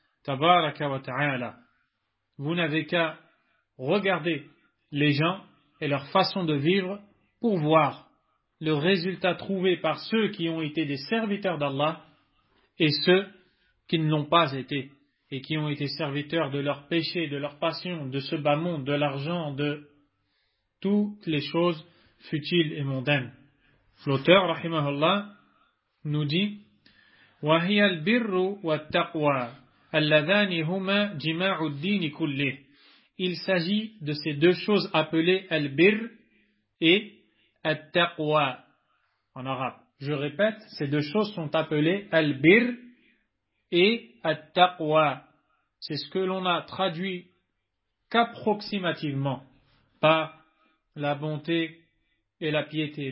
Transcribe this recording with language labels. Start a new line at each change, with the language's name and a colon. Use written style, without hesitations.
French: Tabaraka wa ta'ala. Vous n'avez qu'à regarder les gens et leur façon de vivre pour voir le résultat trouvé par ceux qui ont été des serviteurs d'Allah et ceux qui ne l'ont pas été et qui ont été serviteurs de leurs péchés, de leurs passions, de ce bas monde, de l'argent, de toutes les choses futiles et mondaines. L'auteur, rahimahullah, nous dit
Arabic: « وَهِيَ الْبِرُّ وَالتَّقْوَى اللذان هما جماع الدين كله.
French: Il s'agit de ces deux choses appelées al-birr et al-taqwa en arabe. Je répète, ces deux choses sont appelées al-birr et al-taqwa. C'est ce que l'on a traduit qu'approximativement par la bonté et la piété.